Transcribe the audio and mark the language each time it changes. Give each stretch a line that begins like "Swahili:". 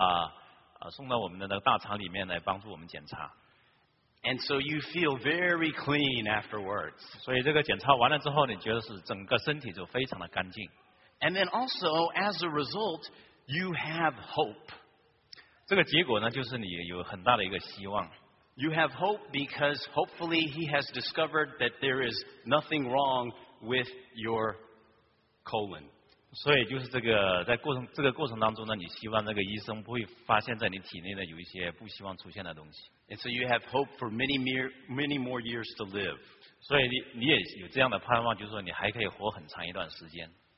Chinese: 所以呢，这检查之前呢，我们要吃一些药，然后就帮助我们呢把那个身体排干净，然后呢，医生就用那个仪器呢，送到我们的那个大肠里面来帮助我们检查。
English: And so you feel very clean afterwards.
Chinese: 所以这个检查完了之后，你觉得是整个身体就非常的干净。
English: And then also, as a result, you have hope.
Chinese: 这个结果呢，就是你有很大的一个希望。
English: You have hope because hopefully he has discovered that there is nothing wrong with your colon.
Chinese: 所以就是这个在过程当中呢，你希望那个医生不会发现在你体内呢有一些不希望出现的东西。
English: And so you have hope for many more years to live.
Chinese: 所以你也有这样的盼望，就是说你还可以活很长一段时间。